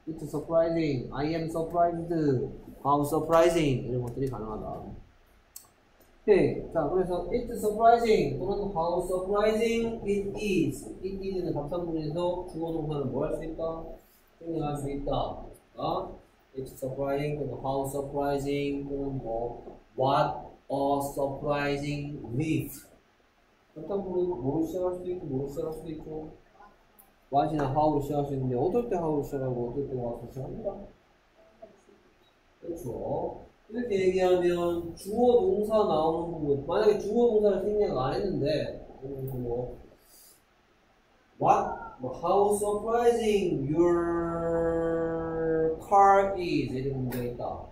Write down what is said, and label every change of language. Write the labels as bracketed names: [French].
[English] It's surprising. I am surprised. How surprising [Korean] 이런 것들이 가능하다. 오케이. 자, 그래서 [English] It's surprising [Korean] 또는 [English] How surprising it is. [Korean] It is는 감탄문에서 주어 동사는 뭐 할 수 있다? 생략할 수 있다. 아? [English] It's surprising, how surprising, what a surprising leaf. [Korean] 감탄문은 뭐로 시작할 수도 있고, 뭐로 시작할 수도 있고. What이나 how로 시작할 수 있는데, 어떨 때 how로 시작하고, 어떨 때 what로 시작합니다. 그렇죠. 이렇게 얘기하면, 주어 동사 나오는 부분, 만약에 주어 동사를 생략 안 했는데, 뭐, [English] what, how surprising your car is [Korean] 이런 문제 있다.